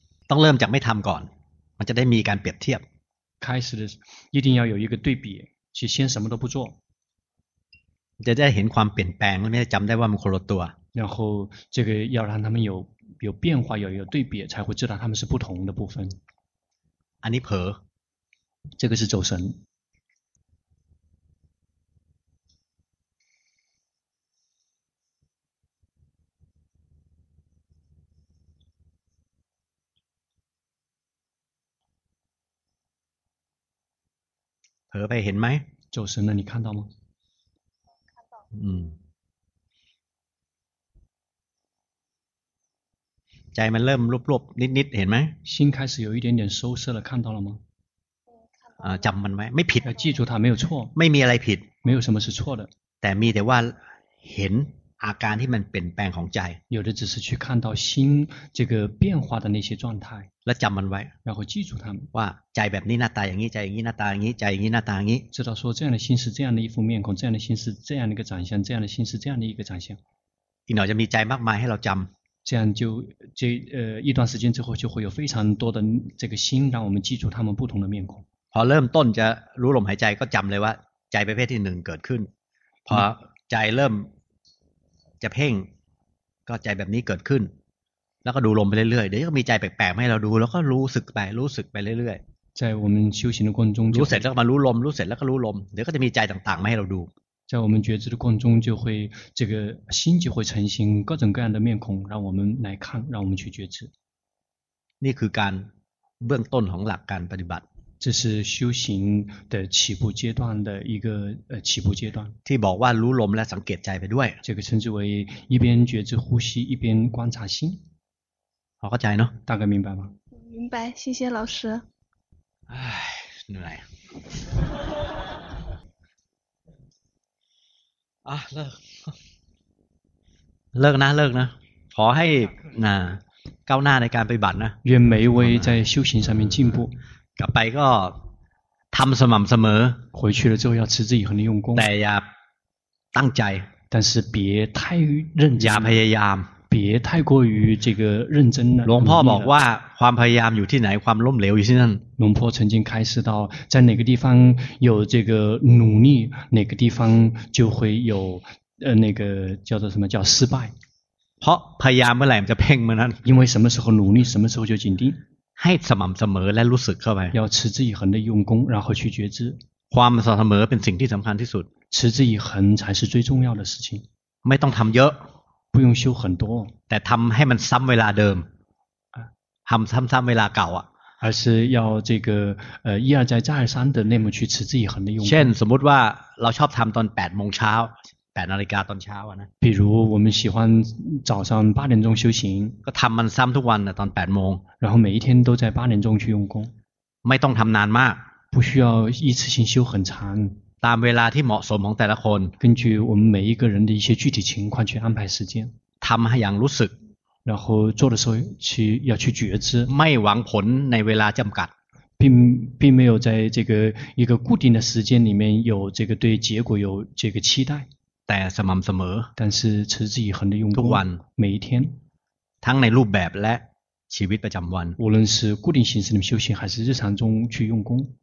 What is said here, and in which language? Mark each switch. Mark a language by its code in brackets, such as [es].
[th] ต้องเริ่มจากไม่ทำก่อนมันจะได้มีการเปรียบเทียบ [zh] 开始的一定要有一个对比去先什么都不做 [th] จะได้เห็นความเปลี่ยนแปลงไม่ได้จำได้ว่ามันคนละตัว [zh] 然后这个要让他们有变化有对比才会知道他们是不同的部分 [th] อันนี้เผล [zh] อ这个是走神 [th] เผลอไปเห็นไหม [zh] 走神了你看到吗看到在 [th] มันเริ่มรวบๆนิดๆเห็นไหม [zh] 心开始有一点点收摄了看到了吗 [th] จำมันไหมไม่ผิด [zh] 记住它没有错 [th] ไม่มีอะไรผิด [zh] 没有什么是错的 [th] แต่มีแต่ว่าเห็นอาการที่มันเปลี่ยนแปลงของใจ [zh] 有的只是去看到心这个变化的那些状态 [th] แล้วจำมันไว้ [zh] 然后记住它 [th] ว่าใจแบบนี้หน้าตาอย่างนี้ใจอย่างนี้หน้าตาอย่างนี้ใจอย่างนี้หน้าตาอย่างนี้ [zh] 知道说这样的心是这样的一副面孔这样的心是这样的一个长相这样的心是这样的一个长相 [th] อีกหน่อยจะมีใจมากมายให้เราจำ [zh] 这样就这一段时间之后就会有非常多的这个心让我们记住他们不同的面孔 [th] พอเริ่มต้นจะรู้ลมหายใจก็จำเลยว่าใจประเภทที่หนึ่งเกิดขึ้นพอใจเริ่มจะเพ่งก็ใจแบบนี้เกิดขึ้นแล้วก็ดูลมไปเรื่อยๆเดี๋ยวก็มีใจแปลกๆให้เราดูแล้วก็รู้สึกไปรู้สึกไปเรื่อย [zh] ๆใจ我们修行的过程中 [th] รู้เสร็จแล้วมารู้ลมรู้เสร็จแล้วก็รู้ลมเดี๋ยวก็จะมีใจต่างๆมาให้เราดู [zh] 在我们觉知的过程中就会这个心就会成型各种各样的面孔让我们来看让我们去觉知 [th] นี่คือการเบื้องต้นของหลักการปฏิบัติ [zh] 这是修行的起步阶段的一个起步阶段 [th] ที่บอกว่ารู้ลมและสังเกตใจไปด้วย [zh] 这个称之为一边觉知呼吸一边观察心 [th] เข้าใจเนาะ [zh] 大概明白吗明白谢谢老师 [th] 唉เหนื่อยอ่ะเลิกนะเลิกนะขอให้นะก้าวหน้าในการปฏิบัตินะ [zh] 愿每位在修行上面进步 [th] กลับไปก็ทำสม่ำเสมอ [zh] 回去了之后要持之以恒的用功 [th] แต่อย่าตั้งใจ [zh] 但是别太认真 [th] อย่าพยายาม [zh] 别太过于这个认真 [th] หลวงพ่อบอกว่าความพยายามอยู่ที่ไหนความล้มเหลวอยู่ที่นั่น [zh] หลวงพ่อ曾经开示到在哪个地方有这个努力哪个地方就会有那个叫做什么叫失败 [th] เพราะพยายามเมื่อไหร่จะเพ่งเมื่อนั้น [zh] 因为什么时候努力什么时候就紧盯 [th] ให้สม่ำเสมอและรู้สึกเข้าไป [zh] 要持之以恒的用功然后去觉知 [th] ความสม่ำเสมอเป็นสิ่งที่สำคัญที่สุด [zh] 持之以恒才是最重要的事情 [th] ไม่ต้องทำเยอะ [zh] 不用修很多 [th] แต่ทำให้มันซ้ำเวลาเดิมทำซ้ำเวลาเก่าอ่ะ [zh] 而是要这个一而再再而三的那么去持之以恒的用 [th] เช่นสมมติว่าเราชอบทำตอน8โมงเช้า8นาฬิกาตอนเช้าอ่ะนะ [zh] 比如我们喜欢早上8点钟修行 [th] ก็ทำมันซ้ำทุกวันนะตอน8โมง [zh] 然后每一天都在8点钟去用功 [th] ไม่ต้องทำนานมาก [zh] 不需要一次性修很长 [th] ตามเวลาที่เหมาะสมของแต่ละคน [zh] 根据我们每一个人的一些具体情况去安排时间 [th] ทำให้อย่างรู้สึก [zh] 然后做的时候去要去觉知 [th] ไม่หวังผลในเวลาจำกัด [zh] 并没有在这个一个固定的时间里面有这个对结果有这个期待 [th] แต่สม่ำเสมอ [zh] 但是持之以恒的用功 [th] ทุกวัน [zh] 每一天 [th] ทั้งในรูปแบบและชีวิตประจำวัน [zh] 无论是固定形式的修行还是日常中去用功